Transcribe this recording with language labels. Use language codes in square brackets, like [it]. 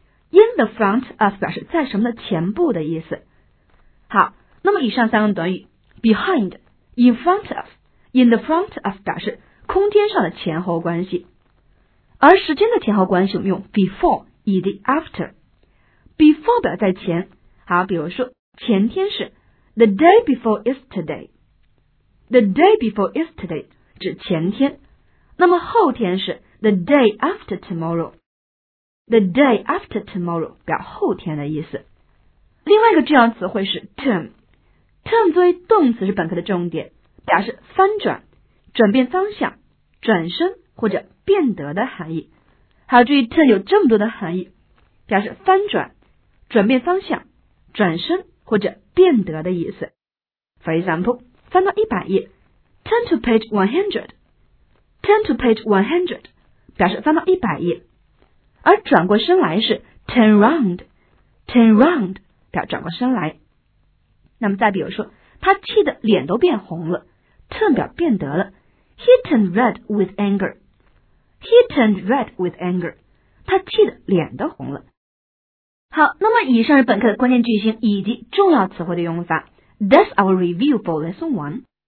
[zh] In the front of 表示在什么的前部的意思。好，那么以上三个短语 behind, in front of, in the front of 表示空间上的前后关系，而时间的前后关系我们用 before, 以及 after。 before 表在前，好，比如说前天是 [en] the day before yesterday， [zh] the day before yesterday 指前天。那么后天是 [en] the day after tomorrow， [zh] the day after tomorrow 表后天的意思。另外一个重要词汇是 term。term 作为动词是本课的重点，表示翻转、转变方向、转身或者变得的含义。还要注意 turn 有这么多的含义，表示翻转、转变方向、转身或者变得的意思。 For example， 翻到100页， [en] turn to page 100， [zh] turn to page 100 表示翻到100页。而转过身来是 [en] turn round， [zh] turn round 表示转过身来。那么再比如说他气得脸都变红了，turn 表变得了。 [en] He turned red with anger. He turned red with anger. [zh] 他气得脸都红了。好，那么以上是本课的关键句型以及重要词汇的用法。 [en] That's our review for lesson 1.